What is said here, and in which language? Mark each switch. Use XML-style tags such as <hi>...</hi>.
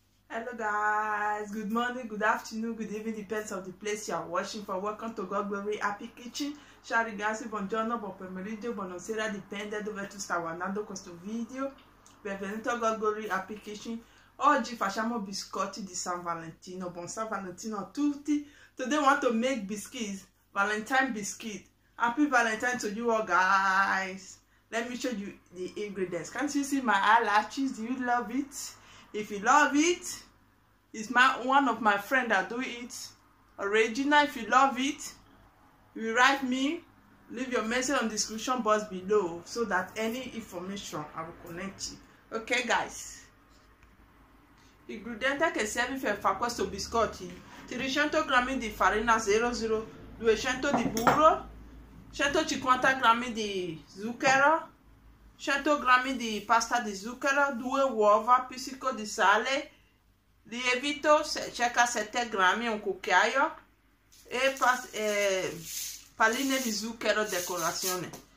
<en>Hello guys, good morning, good afternoon, good evening, depends on the place you are watching from. Welcome to God Glory Happy Kitchen.</en> <it>Ciao ragazzi, buongiorno, buon pomeriggio, buonasera, dipende da dove tu stai guardando questo video. Benvenuto a God Glory Happy Kitchen. Oggi facciamo biscotti di San Valentino. Buon San Valentino a tutti.</it> <en>Today we want to make biscuits, Valentine biscuit. Happy Valentine to you all guys. Let me show you the ingredients. Can't you see my eyelashes? Do you love it? If you love it, it's my one of my friends that do it. Original, if you love it, you write me, leave your message on the description box below so that any information I will connect you. Okay, guys.</en> <it>Ingredienti che serve per questo biscotti: 300 grammi di farina 00, 200 di burro, 150 grammi di zucchero, 100 grammi di pasta di zucchero, 2 uova, pizzico di sale, lievito circa 7 grammi, un cucchiaio e palline di zucchero decorazione.</it>